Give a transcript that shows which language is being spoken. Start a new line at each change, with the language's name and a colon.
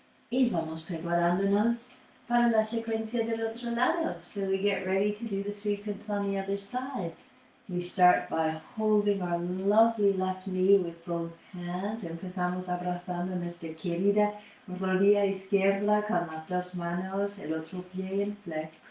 Spanish: Y vamos preparándonos para la secuencia del otro lado.
English: So we get ready to do the sequence on the other side. We start by holding our lovely left knee with both hands.
Spanish: Empezamos abrazando nuestra querida rodilla izquierda con las dos manos, el otro pie en flex.